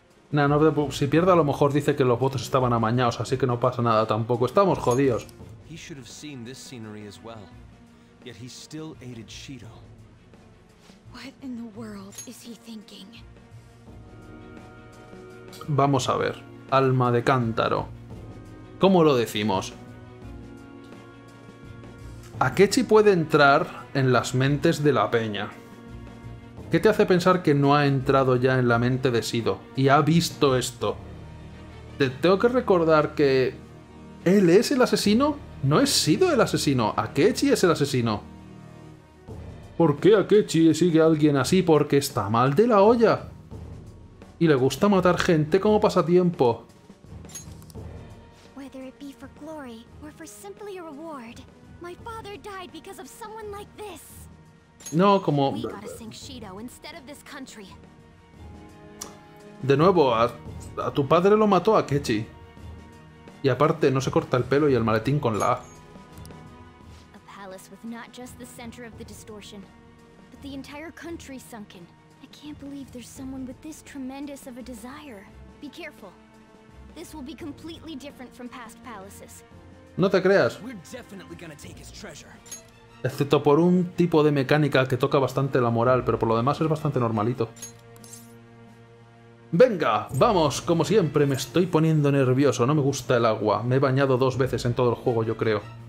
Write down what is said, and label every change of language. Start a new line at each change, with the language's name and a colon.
Spanish: Nah, no, si pierde a lo mejor dice que los votos estaban amañados, así que no pasa nada tampoco. Estamos jodidos.
English: He should have seen this scenery as well. Yet he still aided Shido. What in the world is he thinking?
Spanish: Vamos a ver. Alma de cántaro. ¿Cómo lo decimos? Akechi puede entrar en las mentes de la peña. ¿Qué te hace pensar que no ha entrado ya en la mente de Shido y ha visto esto? Te tengo que recordar que... ¿él es el asesino? No es Shido el asesino, Akechi es el asesino. ¿Por qué Akechi sigue a alguien así? Porque está mal de la olla. y le gusta matar gente como pasatiempo.
English: Whether it be for glory or for simply a reward, my father died because of someone like this.
Spanish: No, como
English: we gotta sink Shido instead of this country.
Spanish: De nuevo, a tu padre lo mató a Akechi. Y aparte, no se corta el pelo y el maletín con la A.
English: A palace with not just the center of the distortion, but the entire country sunken. I can't believe there's someone with this tremendous of a desire. Be careful. This will be completely different from past palaces.
Spanish: No te creas.
English: We're definitely gonna take his treasure.
Spanish: Excepto por un tipo de mecánica que toca bastante la moral, pero por lo demás es bastante normalito. ¡Venga! ¡Vamos! Como siempre, me estoy poniendo nervioso. No me gusta el agua. Me he bañado dos veces en todo el juego, yo creo.